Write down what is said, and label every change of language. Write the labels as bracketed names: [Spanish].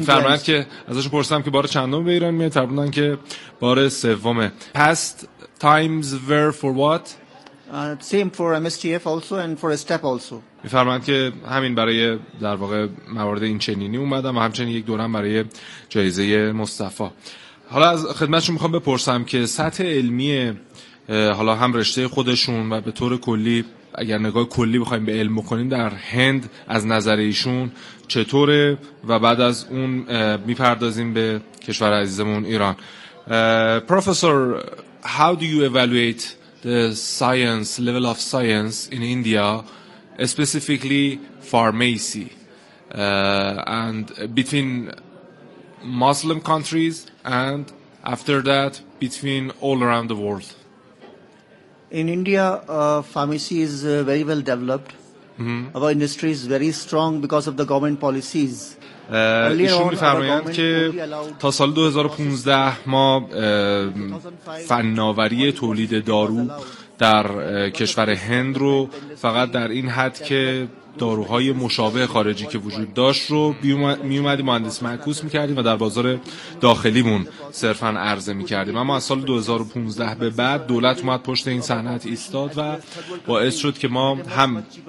[Persian] فرمایند که ازش پرسیدم که بار چندم به ایران میاد، فرمودن که بار سومه. [English] Past times were for what? Same for MSTF also and for STEP also. [Persian] می‌فرمایند که همین برای در واقع موارد این چنینی اومدم و همچنین یک دوره برای جایزه مصطفی. حالا از خدمتشون میخوام بپرسم که سطح علمی حالا هم رشته خودشون و به طور کلی اگر نگاه کلی بخوایم به علم بکنیم در هند از نظر ایشون چطوره، و بعد از اون میپردازیم به کشور عزیزمون ایران. [English] Professor, how do you evaluate the science level of science in India, specifically pharmacy, and between Muslim countries and after that between all around the world? In India, pharmacy is very well developed. Mm-hmm. Our industry is very strong because of the government policies. [Persian] ایشون میفرمایند که تا سال 2015 ما فناوری تولید دارو در کشور هند رو فقط در این حد که داروهای مشابه خارجی که وجود داشت رو میومدی مهندس معکوس میکردیم و در بازار داخلیمون صرفا عرضه میکردیم، اما از سال 2015 به بعد دولت اومد پشت این صنعت ایستاد و باعث شد که ما هم